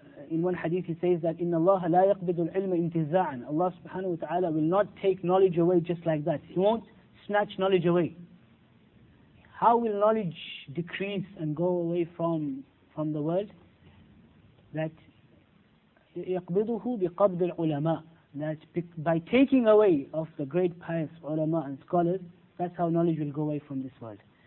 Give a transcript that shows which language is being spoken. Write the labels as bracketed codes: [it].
[en] In one hadith he says that [ar] إِنَّ اللَّهَ لَا يَقْبِدُ الْعِلْمَ إِنْتِزَاعًا. [en] Allah subhanahu wa ta'ala will not take knowledge away just like that. He won't snatch knowledge away. How will knowledge decrease and go away from the world? That [ar] يَقْبِدُهُ بِقَبْدِ الْعُلَمَاء. [en] That by taking away of the great pious ulama and scholars, that's how knowledge will go away from this world.